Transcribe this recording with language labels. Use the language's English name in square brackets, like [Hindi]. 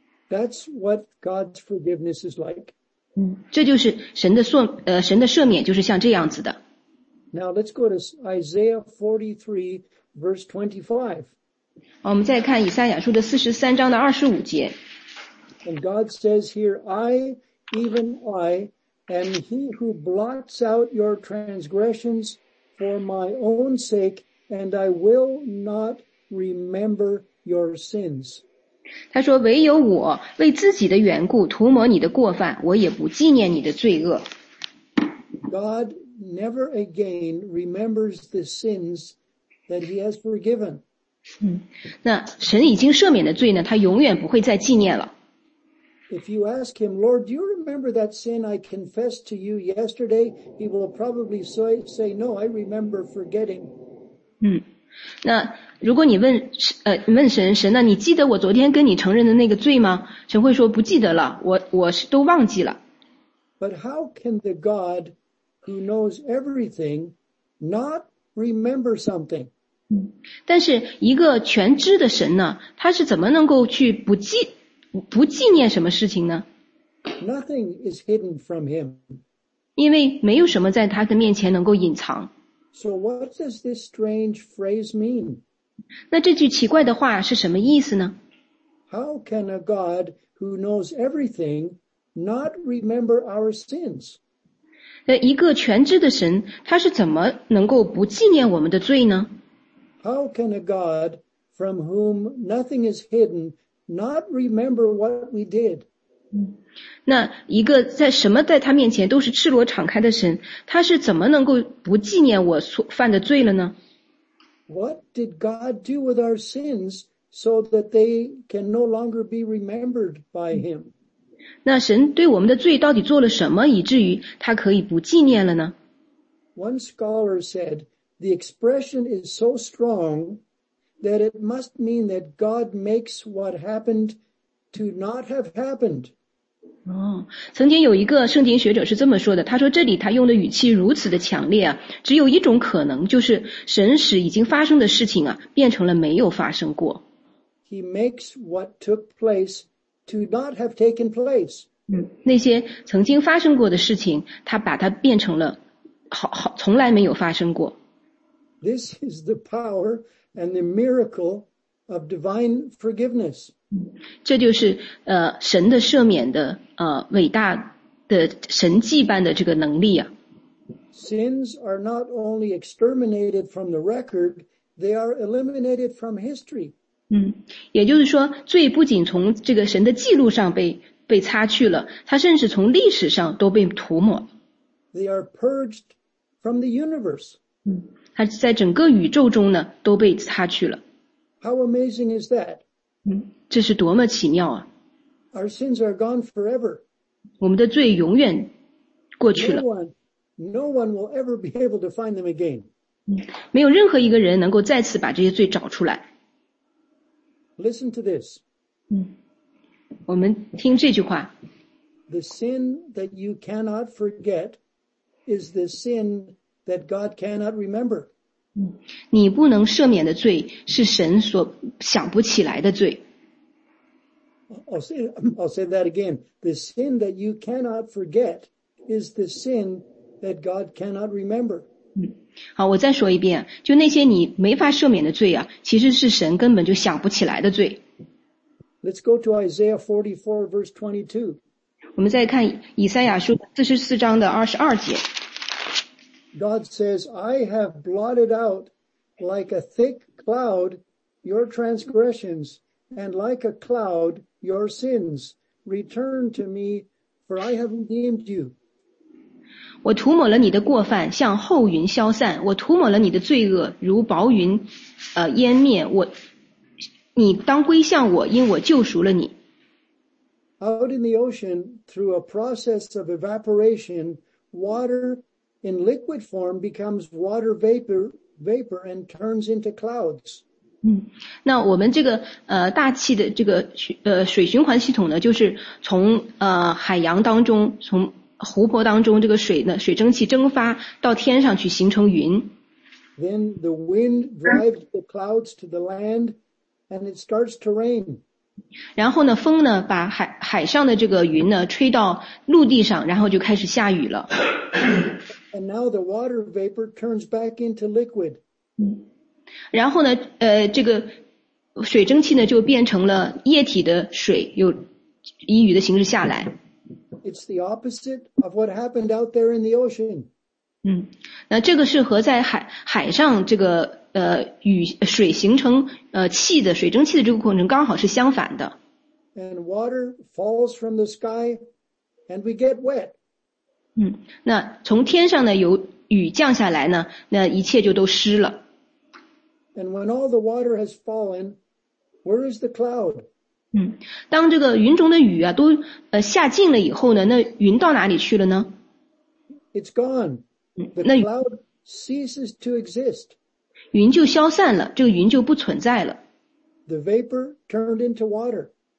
[English] That's what God's forgiveness is like. [Chinese] 这就是神的神的赦免就是像这样子的。 [English] Now let's go to Isaiah 43 verse 25. [Chinese] 我们再看以赛亚书的43章的25节。 [English] And God says here, I, even I, am he who blots out your transgressions for my own sake, and I will not remember your sins. [Chinese] 他说，唯有我为自己的缘故涂抹你的过犯，我也不纪念你的罪恶。 [English] God never again remembers the sins that he has forgiven. [Chinese] 那神已经赦免的罪呢，他永远不会再纪念了。 [English] If you ask him, Lord, do you remember that sin I confessed to you yesterday? He will probably say, No, I remember forgetting. [Chinese] 那如果你问问神，神呢，你记得我昨天跟你承认的那个罪吗？神会说不记得了，我都忘记了。 [English] But how can the God who knows everything not remember something? [Chinese] 但是一个全知的神呢，他是怎么能够去不纪念什么事情呢？ [English] Nothing is hidden from him. [Chinese] 因为没有什么在他的面前能够隐藏。 [English] So what does this strange phrase mean? [Chinese] 那这句奇怪的话是什么意思呢？ [English] How can a God who knows everything not remember our sins? [Chinese] 那一个全知的神，他是怎么能够不纪念我们的罪呢？ [English] How can a God from whom nothing is hidden not remember what we did? [Chinese] 那一个在什么在他面前都是赤裸敞开的神，他是怎么能够不纪念我所犯的罪了呢？ [English] What did God do with our sins so that they can no longer be remembered by him? [Chinese] 那神对我们的罪到底做了什么以至于他可以不纪念了呢？ [English] One scholar said,The expression is so strong that it must mean that God makes what happened to not have happened. [Chinese] 曾经有一个圣经学者是这么说的，他说这里他用的语气如此的强烈，只有一种可能，就是神使已经发生的事情变成了没有发生过。 [English] He makes what took place to not have taken place. [Chinese] 那些曾经发生过的事情，他把它变成了从来没有发生过。 [English] This is the power and the miracle of divine forgiveness. [Chinese] 这就是神的赦免的伟大的神迹般的这个能力啊。 [English] Sins are not only exterminated from the record, they are eliminated from history. [Chinese] 也就是说罪不仅从这个神的记录上被擦去了，它甚至从历史上都被涂抹。 [English] They are purged from the universe. [Chinese] 他在整个宇宙中呢都被擦去了。 [English] How amazing is that? [Chinese] 这是多么奇妙啊。 [English] Our sins are gone forever. [Chinese] 我们的罪永远过去了。 [English] No one will ever be able to find them again. [Chinese] 没有任何一个人能够再次把这些罪找出来。 [English] Listen to this. [Chinese] 我们听这句话。 [English] The sin that you cannot forget is the sin that God cannot remember. [Chinese] 你不能赦免的罪是神所想不起来的罪。 [English] I'll say that again. The sin that you cannot forget is the sin that God cannot remember. [Chinese] 好，我再说一遍，就那些你没法赦免的罪啊，其实是神根本就想不起来的罪。 [English] Let's go to Isaiah 44 verse 22. [Chinese] 我们再看以赛亚书44章的22节。 [English] God says, I have blotted out like a thick cloud your transgressions and like a cloud your sins. Return to me, for I have redeemed you. [Chinese] 我涂抹了你的过犯像厚云消散，我涂抹了你的罪恶如薄云湮灭，我你当归向我，因我救赎了你。 [English] Out in the ocean, through a process of evaporation, waterIn liquid form becomes water vapor and turns into clouds. [Chinese] 那我们这个大气的这个水循环系统呢，就是从海洋当中，从湖泊当中，这个水呢水蒸气蒸发到天上去形成云。 [English] Then the wind drives the clouds to the land, and it starts to rain. [Chinese] 然后呢，风呢把海上的这个云呢吹到陆地上，然后就开始下雨了。 [English] And now the water vapor turns back into liquid. [Chinese] 然后呢这个水蒸气呢就变成了液体的水，又以雨的形式下来。 [English] It's the opposite of what happened out there in the ocean. [Chinese] 那这个是和在海上这个雨水形成气的水蒸气的这个过程刚好是相反的。 [English] And water falls from the sky and we get wet. [Chinese] 那从天上呢有雨降下来呢，那一切就都湿了。 [English] And when all the water has fallen, where is the cloud? [Chinese] 当这个云中的雨啊都下尽了以后呢，那云到哪里去了呢？ [English] It's gone. The cloud ceases to exist. [Chinese] 云就消散了，这个云就不存在了。 [English] The vapor turned into water.